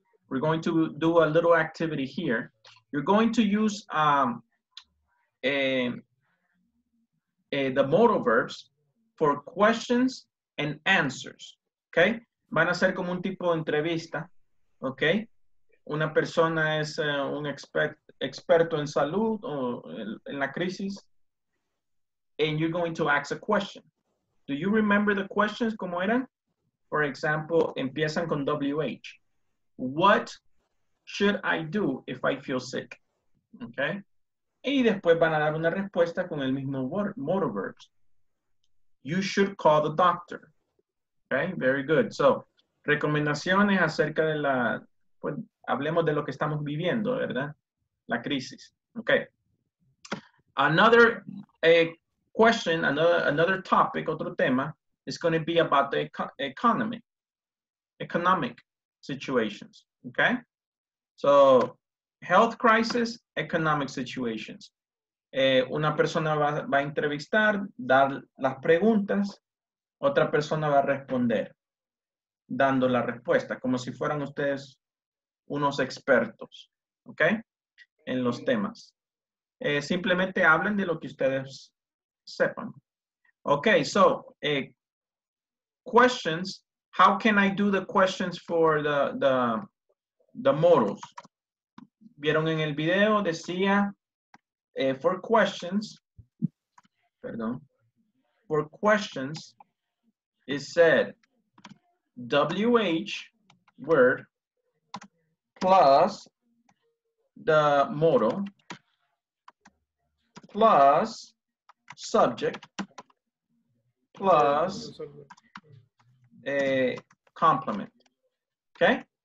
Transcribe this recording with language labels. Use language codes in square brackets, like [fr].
[en] We're going to do a little activity here. You're going to use the modal verbs for questions and answers, okay? [es] Van a ser como un tipo de entrevista, okay? Una persona es un experto en salud o en la crisis. [en] And you're going to ask a question. Do you remember the questions [es] como eran? [en] For example, [es] empiezan con WH. [en] What should I do if I feel sick? Okay. [es] Y después van a dar una respuesta con el mismo modal verbs. [en] You should call the doctor. Okay, very good. [es] So, recomendaciones acerca de la, pues, hablemos de lo que estamos viviendo, ¿verdad? La crisis. Okay. [en] Another question, another topic, [es] otro tema, [en] is going to be about the economy, economic situations. Okay, so health crisis, economic situations. [es] Una persona va a entrevistar, dar las preguntas, otra persona va a responder, dando la respuesta, como si fueran ustedes unos expertos, okay, en los temas. Simplemente hablen de lo que ustedes sepan. [en] Okay, so questions, how can I do the questions for the models. [es] Vieron en el video, decía, [en] for questions, perdón, for questions, it said, WH word plus the model plus subject plus a complement. Okay?